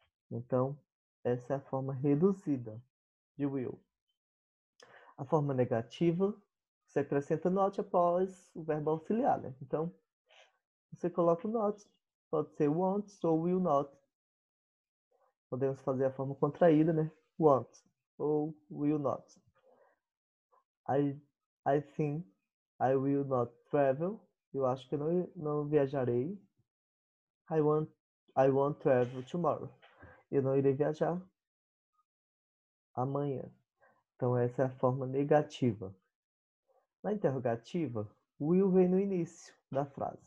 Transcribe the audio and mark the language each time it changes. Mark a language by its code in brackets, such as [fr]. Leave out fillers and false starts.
[pt] Então, essa é a forma reduzida de will. A forma negativa, você acrescenta not após o verbo auxiliar, né? Então, você coloca o not. Pode ser won't ou will not. Podemos fazer a forma contraída, né? Won't ou will not. [en] I think I will not travel. [pt] Eu acho que não viajarei. [en] I won't travel tomorrow. [pt] Eu não irei viajar amanhã. Então, essa é a forma negativa. Na interrogativa, will vem no início da frase.